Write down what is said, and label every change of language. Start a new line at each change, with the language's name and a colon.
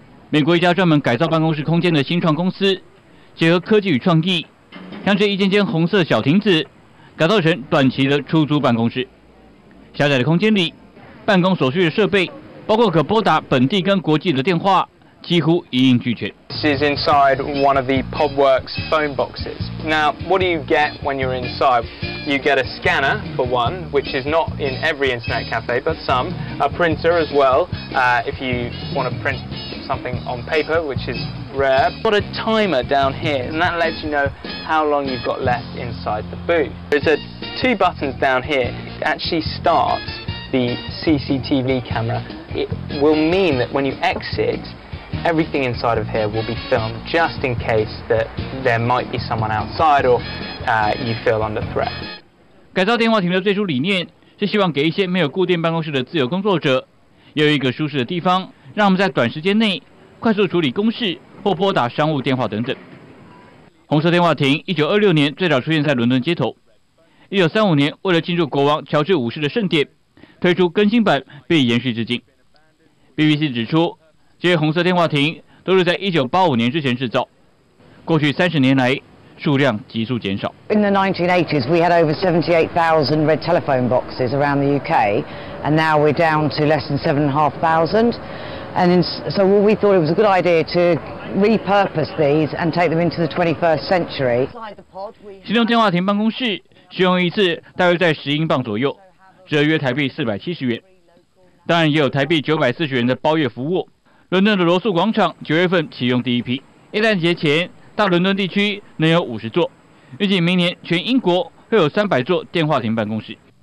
Chinese: 美国一家专门改造办公室空间的新创公司，结合科技与创意，将这一间间红色小亭子改造成短期的出租办公室。狭窄的空间里，办公所需的设备，包括可拨打本地跟国际的电话，几乎一应俱全。
English: This is inside one of the PubWorks phone boxes. Now, what do you get when you're inside? You get a scanner for one, which is not in every internet cafe, but some. A printer as well, if you want to print something on paper, which is rare. Got a timer down here, and that lets you know how long you've got left inside the booth. There's two buttons down here. It actually starts the CCTV camera. It will mean that when you exit,Everything inside of here will be filmed just in case that there might be someone outside or you feel under threat.
Chinese: 改造电话亭的最初理念是希望给一些没有固定办公室的自由工作者，有一个舒适的地方，让我们在短时间内快速处理公事或拨打商务电话等等。红色电话亭1926年最早出现在伦敦街头，1935年为了庆祝国王乔治五世的圣典，推出更新版并延续至今。 BBC 指出。这些红色电话亭都是在1985年之前制造，过去30年来数量急速减少。
English: In the 1980s, we had over 78,000 red telephone boxes around the UK, and now we're down to less than 7,500. And so we thought it was a good idea to repurpose these and take them into the 21st century.
Chinese: 行动电话亭办公室使用一次大约在10英镑左右，折约台币470元。当然也有台币940元的包月服务。伦敦的罗素广场九月份启用第一批，耶诞节前大伦敦地区能有50座，预计明年全英国会有300座电话亭办公室。